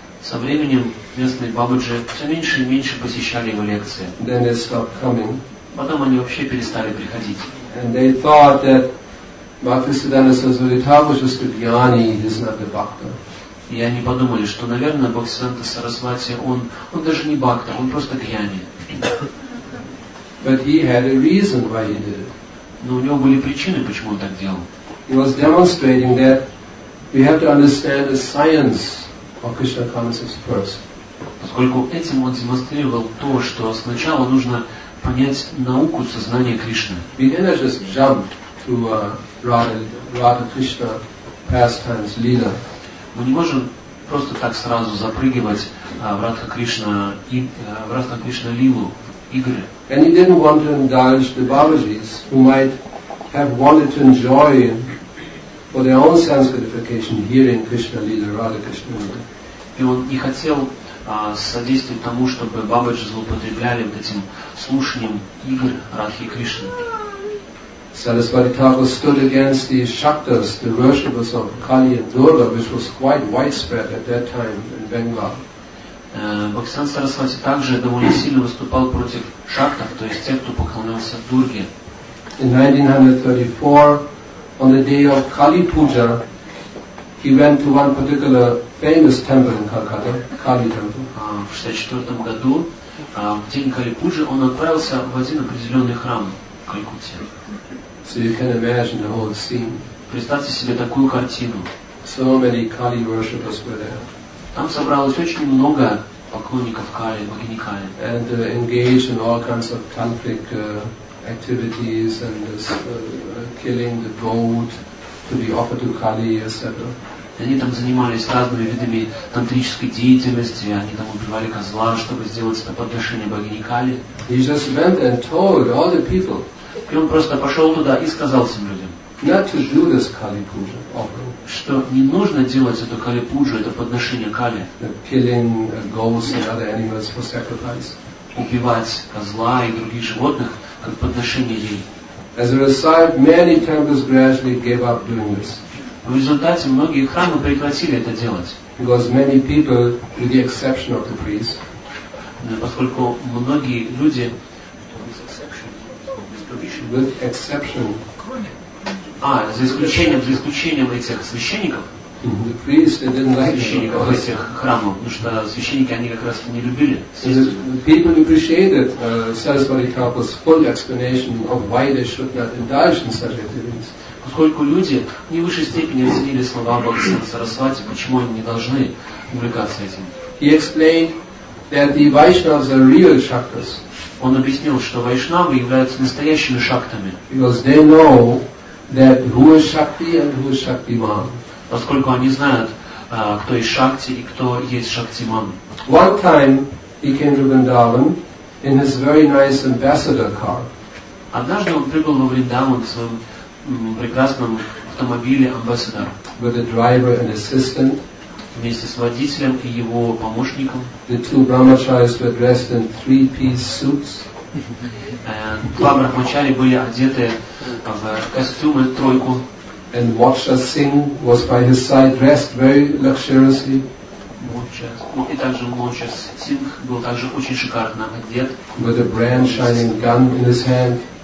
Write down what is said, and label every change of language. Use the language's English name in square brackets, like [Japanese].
[Russian] Со временем местные Бабаджи все меньше и меньше посещали его лекции. [English] Then they stopped coming. [Russian] Потом они вообще перестали приходить. [English] And they thought that Bhaktisiddhanta Sarasvati Thakur is just a jnani, he's not the bhakta. [Russian] И они подумали, что, наверное, Бхактисиддханта Сарасвати, он даже не бхакта, он просто гьяни. [English] But he had a reason why he did it. [Russian] Но у него были причины, почему он так делал. [English] He was demonstrating that we have to understand the science of Krishna consciousness first. [Russian] Поскольку этим он демонстрировал то, что сначала нужно понять науку сознания Кришны. [English] We didn't just jump to Radha Krishna pastimes, Lila. [Russian] Мы не можем просто так сразу запрыгивать в Радха Кришна Лилу. игры. [English] And he didn't want to indulge the Babaji's, who might have wanted to enjoy for their own sense gratification hearing Krishna Lila, Radha Krishna Lila. [Russian] И он не хотел содействовать тому, чтобы Бабаджи злоупотребляли вот этим слушанием игр Радхи Кришны. [English] Sarasvati Thakur stood against the Shaktas, the worshippers of Kali and Durga, which was quite widespread at that time in Bengal. [Russian] Бхагаван Сарасвати также довольно сильно выступал против шактов, то есть тех, кто поклонялся Дурге. [English] In 1934, on the day of Kali Puja, he went to one particular famous temple in Calcutta, Kali Temple. [Russian] В 1964 году, в день Kali Puja, он отправился в один определенный храм в Калькутте. [English] So you can imagine the whole scene. [Russian] Представьте себе такую картину. [English] So many Kali worshippers were there. [Russian] Там собралось очень много поклонников Кали, богини Кали. [English] And engaged in all kinds of tantric activities and killing the goat to be offered to Kali, etc. [Russian] Они там занимались разными видами тантрической деятельности, они там убивали козла, чтобы сделать это подношение богини Кали. [English] He just went and told all the people. [Russian] И он просто пошел туда и сказал всем людям, [English] not to do this Kali Puja, [Russian] что не нужно делать эту Kali Puja, это подношение Kali. [English] Killing goats and other animals for sacrifice. [Russian] Убивать козла и других животных как подношение ей. [English] As a result, many temples gradually gave up doing this. [Russian] В результате многие храмы прекратили это делать. [English] Because many people, with the exception of the priest, [Russian] поскольку многие люди, [English] with exception, [Russian] за исключением этих священников, [English] the priest, they didn't like [Russian] священников этих храмов, потому что священники они как раз не любили. [English] People appreciated Sarasvati Thakur's full explanation of why they should not indulge in such activities. [Russian] Поскольку люди не в высшей степени оценили слова Бхагавана Сарасвати, почему они не должны увлекаться этим. [English] He explained that the Vaishnavas are real shaktas. [Russian] Он объяснил, что вайшнавы являются настоящими шактами. [English] Because they know that who is Shakti and who is Shaktiman. [Russian] Поскольку они знают, кто есть Шакти и кто есть Шактиман. [English] One time he came to Vrindavan in his very nice ambassador car. [Russian] Однажды он прибыл во Вриндаван в своем прекрасном автомобиле амбассадор. [English] With a driver and assistant. [Russian] Вместе с водителем и его помощником. [English] The two brahmacharis were dressed in three-piece suits. [Russian] Два брахмачари были одеты в костюмы тройку. [English] And Moksha Singh was by his side dressed very luxuriously. [Russian] И также Moksha Singh был также очень шикарно одет. [English] With a brand shining gun in his hand.